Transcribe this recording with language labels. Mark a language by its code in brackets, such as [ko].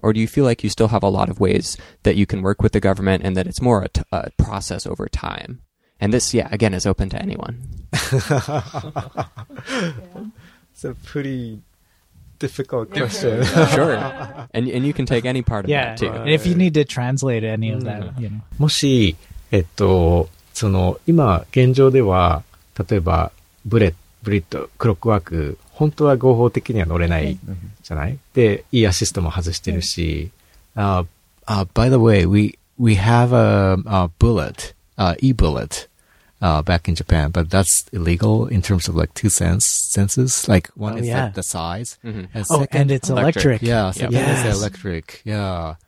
[en] Or do you feel like you still have a lot of ways that you can work with the government and that it's more a process over time? And this, yeah, again, is open to anyone. It's a pretty difficult question. Sure. And you can take any part of that, too. And if you need to translate any of that, you know. [ja] もし、その、今、現状では、例えば、ブリッド、クロックワーク、本当は合法的には乗れないじゃない？で、いいアシストも外してるし。 [en] By the way, we have a bullet, e-bullet. Back in Japan, but that's illegal in terms of like two senses. Like one is the size. Mm-hmm. And second, and it's electric. Yeah, second is electric. Yeah.